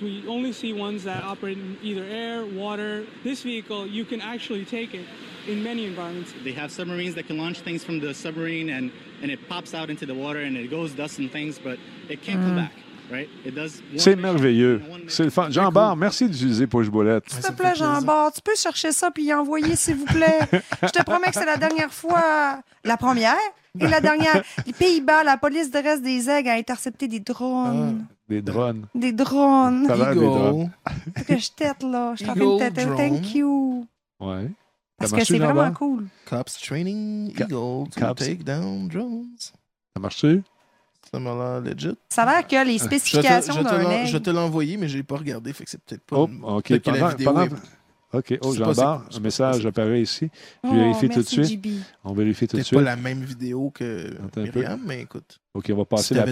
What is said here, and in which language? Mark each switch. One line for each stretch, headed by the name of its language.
English: We only see ones that operate in either air, water. This vehicle, you can actually take it in many environments. They have submarines that can launch things from the submarine and it pops out into the water and it goes dust and things, but it can't come back.
French: C'est merveilleux. C'est le fun. Jean-Bart, merci d'utiliser Pushbolette. S'il te plaît, Jean-Bart, tu peux chercher ça puis y envoyer, s'il vous plaît. Je te promets que c'est la dernière fois. La première et la dernière. Les Pays-Bas, la police dresse des aigles à intercepter des drones. Des drones. Des drones. Ça a l'air des drones. Que je tète, là. Je t'en fais une tête.
English: Thank you.
French: Ouais. Parce que c'est vraiment cool.
English: Cops training eagle to take down drones.
French: Ça marche-tu? Ça m'a l'air legit. Ça a l'air que les spécifications d'un aigle. Je vais te l'envoyer, mais je n'ai pas regardé, fait que c'est peut-être pas... Oh, OK. OK. Oh, Jean-Bart, un message apparaît ici. Je vérifie tout de suite. GB. On vérifie tout de suite. C'est pas la même vidéo que Myriam, mais écoute. OK, on va passer la pub.